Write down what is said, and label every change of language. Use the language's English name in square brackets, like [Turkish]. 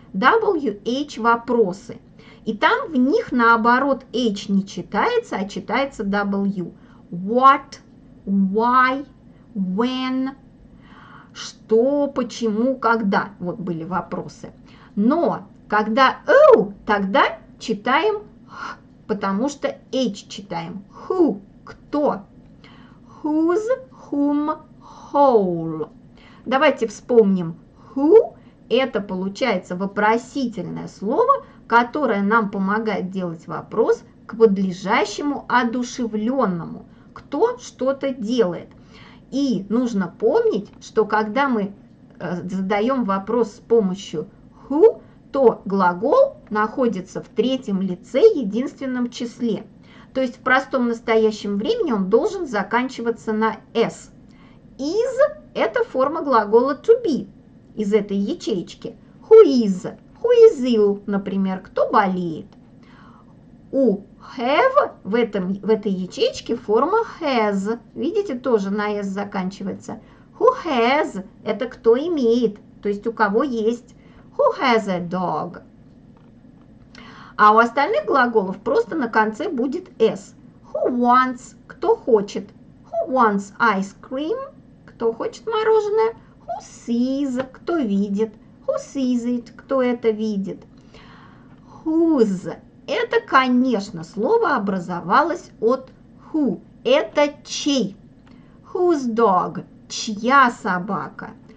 [Russian] WH вопросы. И там в них наоборот H не читается, а читается W. [English] What, why, when, [Russian] что, почему, когда. Вот были вопросы. Но когда O, тогда читаем H, потому что H читаем. [English] Who, [Russian] кто, [English] whose, whom, whole. [Russian] Давайте вспомним, who – это, получается, вопросительное слово, которое нам помогает делать вопрос к подлежащему одушевленному, кто что-то делает. И нужно помнить, что когда мы задаем вопрос с помощью who, то глагол находится в третьем лице единственном числе. То есть в простом настоящем времени он должен заканчиваться на s. Is – это форма глагола to be из этой ячейки. [English] Who is? Who is ill? [Russian] Например, кто болеет? У have в этой ячейке форма has. Видите, тоже на s заканчивается. [English] Who has [Russian] – это кто имеет, то есть у кого есть. [English] Who has a dog? [Russian] А у остальных глаголов просто на конце будет s. [English] Who wants – [Russian] кто хочет. [English] Who wants ice cream – [Russian] кто хочет мороженое. [English] Who sees – [Russian] кто видит. [English] Who sees it – [Russian] кто это видит. Whose – это, конечно, слово образовалось от who. Это чей. [English] Whose dog [Russian] – чья собака.